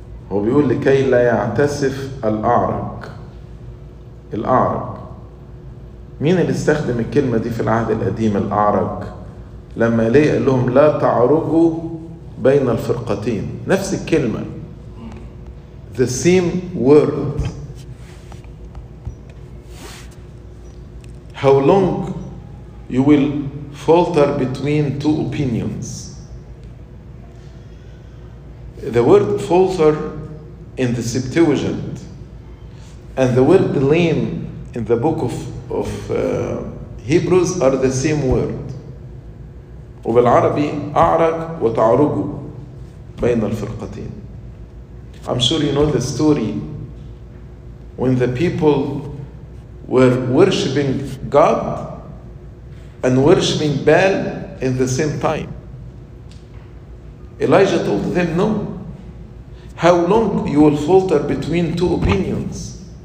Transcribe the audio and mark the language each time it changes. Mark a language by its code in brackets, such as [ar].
[ar] هو بيقول لكي لا يعتسف الأعرج. الأعرج مين اللي استخدم الكلمة دي في العهد القديم؟ الأعرج لما ليه قال لهم لا تعرجوا بين الفرقتين، نفس الكلمة [en] the same word. How long you will falter between two opinions? The word falter in the Septuagint and the word lame in the book of Hebrews are the same word. [ar] وبالعربي أعرج وتعرجوا بين الفرقتين. [en] I'm sure you know the story when the people were worshiping God and worshiping Baal in the same time. Elijah told them, no. How long you will falter between two opinions?